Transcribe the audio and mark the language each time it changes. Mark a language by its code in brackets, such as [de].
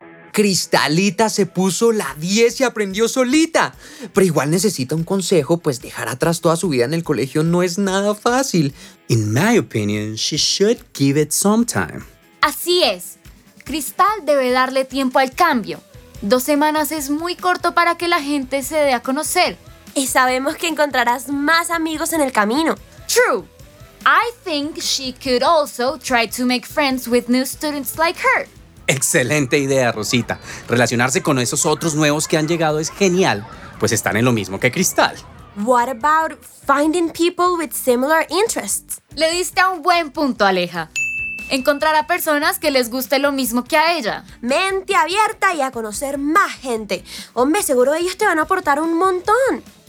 [es] Cristalita se puso la 10 y aprendió solita. Pero igual necesita un consejo, pues dejar atrás toda su vida en el colegio no es nada fácil. [en] In my opinion, she should give it some time. [es] Así es. Cristal debe darle tiempo al cambio. 2 semanas es muy corto para que la gente se dé a conocer. Y sabemos que encontrarás más amigos en el camino. [en] True. I think she could also try to make friends with new students like her. [es] Excelente idea, Rosita. Relacionarse con esos otros nuevos que han llegado es genial, pues están en lo mismo que Cristal. [en] What about finding people with similar interests? [es] Le diste a un buen punto, Aleja. Encontrar a personas que les guste lo mismo que a ella. Mente abierta y a conocer más gente. Hombre, seguro ellos te van a aportar un montón.